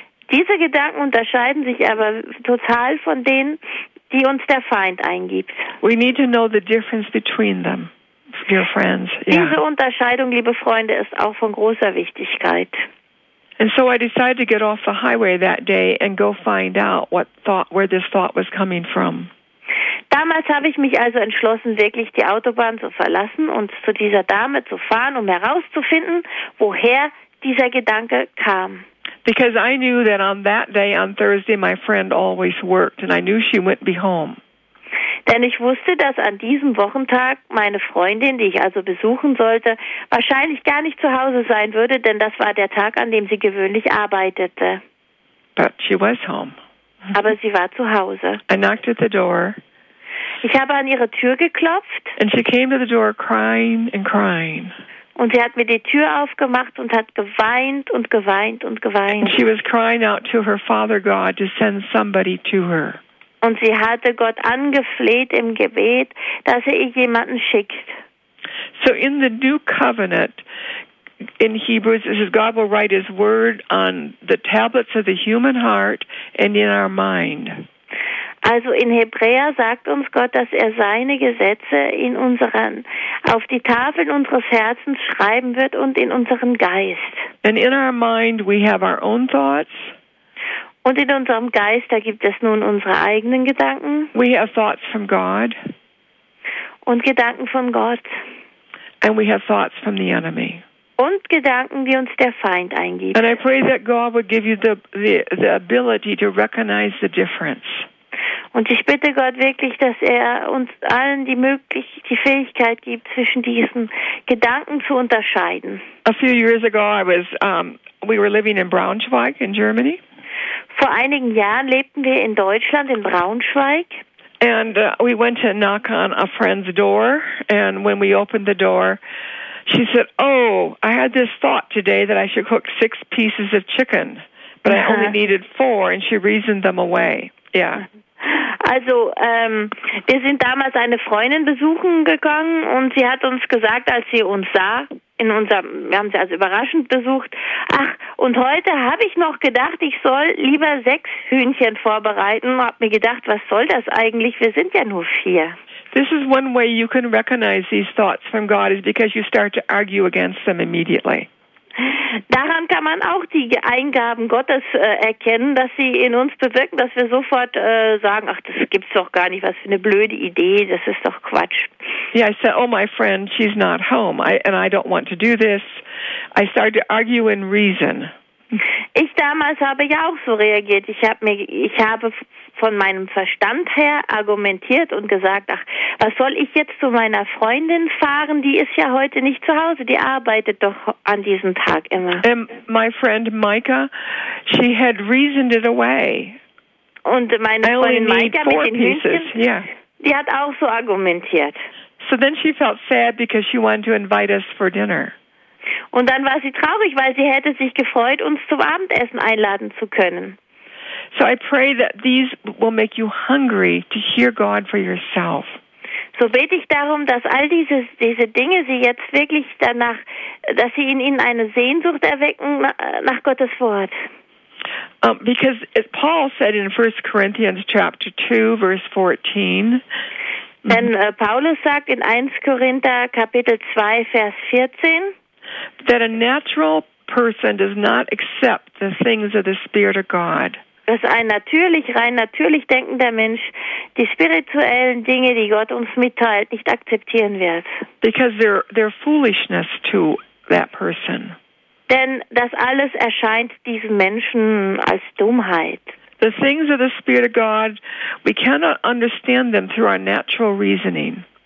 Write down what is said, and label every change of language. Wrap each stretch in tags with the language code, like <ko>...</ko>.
<de>Diese Gedanken unterscheiden sich aber total von denen, die uns der Feind eingibt.</de> <en>We need to know the difference between them, dear friends. Yeah.</en> <de>Diese Unterscheidung, liebe Freunde, ist auch von großer Wichtigkeit.</de> <en>And so I decided to get off the highway that day and go find out where this thought was coming from.</en> <de>Damals habe ich mich also entschlossen, wirklich die Autobahn zu verlassen und zu dieser Dame zu fahren, um herauszufinden, woher dieser Gedanke kam.</de> <en>Because I knew that on that day, on Thursday, my friend always worked, and I knew she wouldn't be home.</en> <de>Denn ich wusste, dass an diesem Wochentag meine Freundin, die ich also besuchen sollte, wahrscheinlich gar nicht zu Hause sein würde, denn das war der Tag, an dem sie gewöhnlich arbeitete.</de> <en>But she was home.</en> <de>Aber sie war zu Hause.</de> <en>I knocked at the door.</en> <de>Ich habe an ihre Tür geklopft.</de> <en>And she came to the door crying and crying.</en> <de>Und sie hat mir die Tür aufgemacht und hat geweint und geweint und geweint.</de> <en>And she was crying out to her Father God to send somebody to her.</en> <de>Und sie hatte Gott angefleht im Gebet, dass er ihr jemanden schickt.</de> <en>So in the new covenant, in Hebrews, it says God will write his word on the tablets of the human heart and in our mind.</en> <de>Also in Hebräer sagt uns Gott, dass er seine Gesetze auf die Tafeln unseres Herzens schreiben wird und in unseren Geist.</de> <en>And in our mind we have our own thoughts.</en> <de>Und in unserem Geist, da gibt es nun unsere eigenen Gedanken.</de> <en>We have thoughts from God.</en> <de>Und Gedanken von Gott.</de> <en>And we have thoughts from the enemy.</en> <de>Und Gedanken, die uns der Feind eingibt.</de> <en>And I pray that God would give you the ability to recognize the difference.</en> <de>Und ich bitte Gott wirklich, dass er uns allen die Fähigkeit gibt, zwischen diesen Gedanken zu unterscheiden.</de> <en>A few years ago, we were living in Braunschweig in Germany.</en> <de>Vor einigen Jahren lebten wir in Deutschland, in Braunschweig.</de> <en>And we went to knock on a friend's door. And when we opened the door, she said, oh, I had this thought today that I should cook 6 pieces of chicken. But I only needed 4, and she reasoned them away. Yeah.</en> <de>Also, wir sind damals eine Freundin besuchen gegangen. Und sie hat uns gesagt, als sie uns sah, wir haben sie also überraschend besucht. Ach, und heute habe ich noch gedacht, ich soll lieber 6 Hühnchen vorbereiten. Und habe mir gedacht, was soll das eigentlich? Wir sind ja nur 4.</de> <en>This is one way you can recognize these thoughts from God is because you start to argue against them immediately.</en> <de>Daran kann man auch die Eingaben Gottes erkennen, dass sie in uns bewirken, dass wir sofort sagen, ach, das gibt's doch gar nicht, was für eine blöde Idee, das ist doch Quatsch.</de> <en>Yeah, I said, oh, my friend, she's not home, and I don't want to do this. I started to argue in reason.</en> <de>Ich damals habe ja auch so reagiert. Ich habe von meinem Verstand her argumentiert und gesagt, ach, was soll ich jetzt zu meiner Freundin fahren? Die ist ja heute nicht zu Hause. Die arbeitet doch an diesem Tag immer.</de> <en>My friend Micah, she had reasoned it away.</en> <de>Und meine Freundin Micah mit den Hühnchen, yeah. Die hat auch so argumentiert.</de> <en>So then she felt sad because she wanted to invite us for dinner.</en> <de>Und dann war sie traurig, weil sie hätte sich gefreut, uns zum Abendessen einladen zu können.</de> <en>So I pray that these will make you hungry to hear God for yourself.</en> <de>So bete ich darum, dass all diese Dinge sie jetzt wirklich danach, dass sie in ihnen eine Sehnsucht erwecken nach Gottes Wort.</de> <en>Because as Paul said in 1 Corinthians chapter 2 verse 14,</en> <de>denn Paulus sagt in 1 Korinther Kapitel 2 Vers 14,</de> <en>that a natural person does not accept the things of the Spirit of God.</en> <de>Dass ein rein natürlich denkender Mensch die spirituellen Dinge, die Gott uns mitteilt, nicht akzeptieren wird.</de> <en>Because they're foolishness to that person.</en> <de>Denn das alles erscheint diesem Menschen als Dummheit.</de> <en>The things of the Spirit of God, we cannot understand them through our natural reasoning.</en>